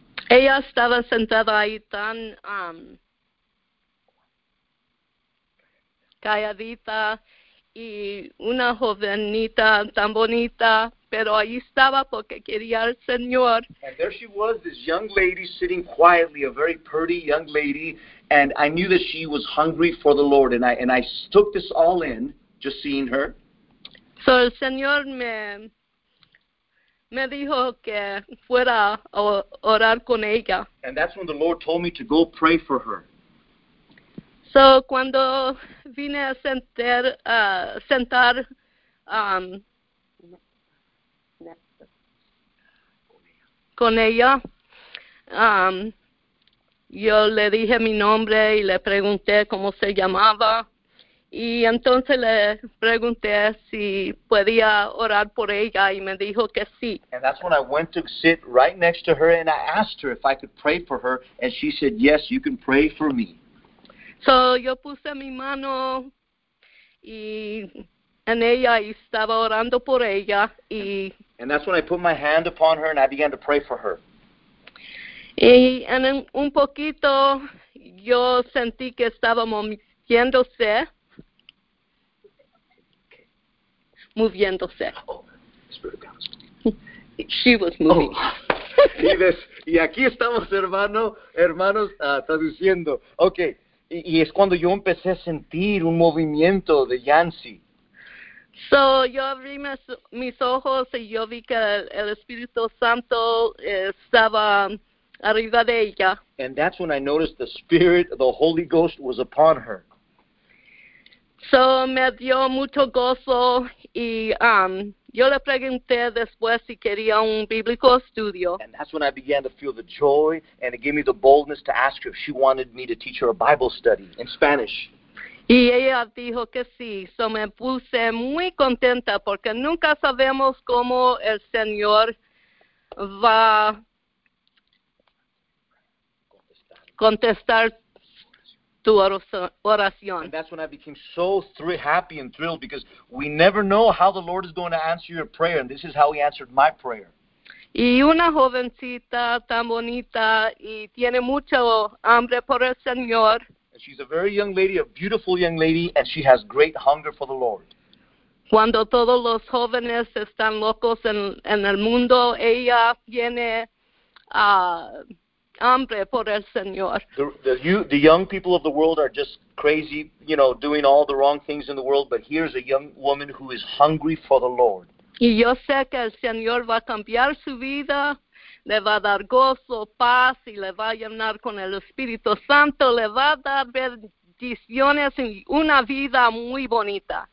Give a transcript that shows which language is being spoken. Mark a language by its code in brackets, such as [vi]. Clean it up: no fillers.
[es] Ella estaba sentada ahí tan calladita, y una jovenita tan bonita, pero ahí estaba porque quería al Señor. [en] And there she was, this young lady sitting quietly, a very pretty young lady, and I knew that she was hungry for the Lord, and I took this all in, just seeing her. [es] So el Señor me dijo que fuera a orar con ella. [en] And that's when the Lord told me to go pray for her. [es] So cuando vine a sentar con ella, yo le dije mi nombre y le pregunté cómo se llamaba, y entonces le pregunté si podía orar por ella y me dijo que sí. [en] And that's when I went to sit right next to her and I asked her if I could pray for her, and she said, yes, you can pray for me. [es] So yo puse mi mano y And ella estaba orando por ella y [en] and that's when I put my hand upon her and I began to pray for her. [es] Y en un poquito yo sentí que estaba moviéndose. Moviéndose. [en] Oh, Spirit of God. She was moving. [es] Oh. y aquí estamos, hermanos, traduciendo. Okay. Y es cuando yo empecé a sentir un movimiento de Yancy. So, yo abrí mis ojos y yo vi que el Espíritu Santo estaba arriba de ella. [en] And that's when I noticed the Spirit, the Holy Ghost, was upon her. [es] So, me dio mucho gozo y yo le pregunté después si quería un bíblico estudio. [en] And that's when I began to feel the joy, and it gave me the boldness to ask her if she wanted me to teach her a Bible study in Spanish. [es] Y ella dijo que sí. So me puse muy contenta porque nunca sabemos cómo el Señor va a contestar tu oración. [en] And that's when I became so happy and thrilled because we never know how the Lord is going to answer your prayer. And this is how he answered my prayer. [es] Y una jovencita tan bonita y tiene mucho hambre por el Señor. [en] She's a very young lady, a beautiful young lady, and she has great hunger for the Lord. [es] Cuando todos los jóvenes están locos en el mundo, ella tiene hambre por el Señor. [en] The young people of the world are just crazy, you know, doing all the wrong things in the world, but here's a young woman who is hungry for the Lord. [es] Y yo sé que el Señor va a cambiar su vida. Le va a dar gozo, paz, y le va a llenar con el Espíritu Santo. Le va a dar bendiciones y una vida muy bonita.